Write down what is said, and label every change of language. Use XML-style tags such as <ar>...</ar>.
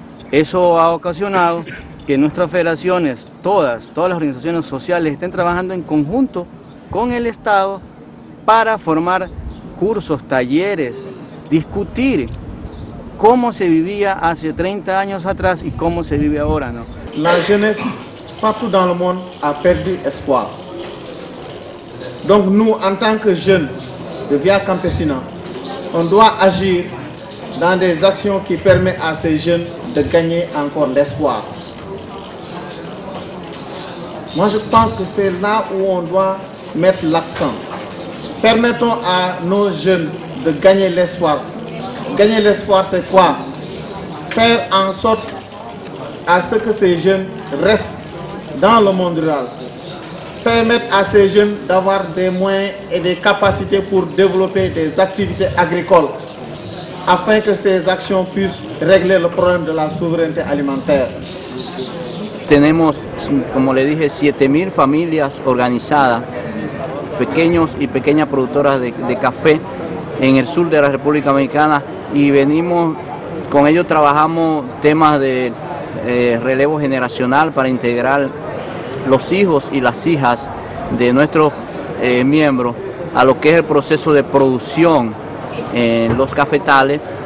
<es>Eso ha ocasionado que nuestras federaciones, todas las organizaciones sociales, estén trabajando en conjunto con el Estado para formar cursos, talleres, discutir cómo se vivía hace 30 años atrás y cómo se vive ahora, ¿no?</es> <fr>La jeunesse partout dans le monde a perdu espoir. Donc nous, en tant que jeunes de Via Campesina, on doit agir dans des actions qui permettent à ces jeunes de gagner encore l'espoir. Moi, je pense que c'est là où on doit mettre l'accent. Permettons à nos jeunes de gagner l'espoir. Gagner l'espoir, c'est quoi? Faire en sorte à ce que ces jeunes restent dans le monde rural. Permettre à ces jeunes d'avoir des moyens et des capacités pour développer des activités agricoles afin que ces actions puissent régler le problème de la souveraineté alimentaire.</fr> <es>Tenemos, como le dije, 7000 familias organizadas, pequeños y pequeñas productoras de café en el sur de la República Dominicana, y venimos con ellos, trabajamos temas de relevo generacional para integrar los hijos y las hijas de nuestros miembros a lo que es el proceso de producción en los cafetales,</es>